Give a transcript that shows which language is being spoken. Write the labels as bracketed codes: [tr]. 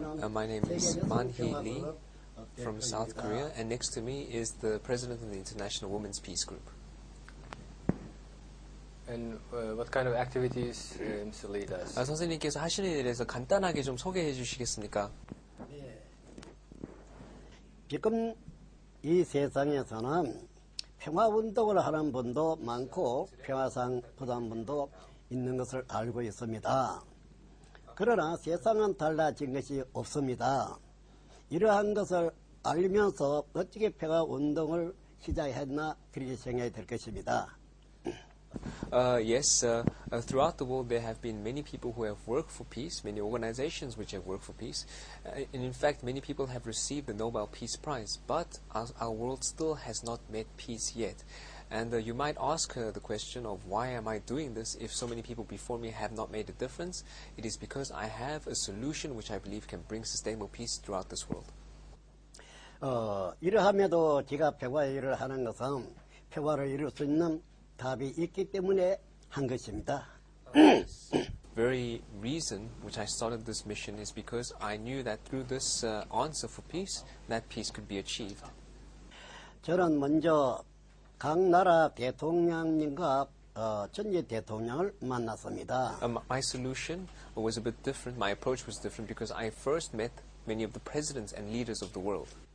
[en] My name is Man Hee Lee from South Korea, and next to me is the president of the International Women's Peace Group. And what kind of activities Mr. Lee does? [ko] 선생님께서 하시는 일에서 간단하게 좀 소개해 주시겠습니까? 지금 이 세상에서는 평화운동을 하는 분도 많고 평화상 부담 분도 있는 것을 알고 있습니다. 그러나 세상은 달라진 것이 없습니다. 이러한 것을 알면서 어떻게 평화운동을 시작했나 그렇게 생각이 될 것입니다. [en] Throughout the world there have been many people who have worked for peace, many organizations which have worked for peace, and in fact many people have received the Nobel Peace Prize, but our world still has not met peace yet. And you might ask the question of why am I doing this if so many people before me have not made a difference. It is because I have a solution which I believe can bring sustainable peace throughout this world. [ko] 이러함에도 제가 평화 일을 하는 것은 평화를 이룰 수 있는 답이 있기 때문에 한 것입니다. [en] Very reason which I started this mission is because I knew that through this answer for peace, that peace could be achieved. [ko] 저는 먼저 각 나라 대통령님과 전직 대통령을 만났습니다. [en] My solution was a bit different. My approach was different because I first met many of the presidents and leaders of the world.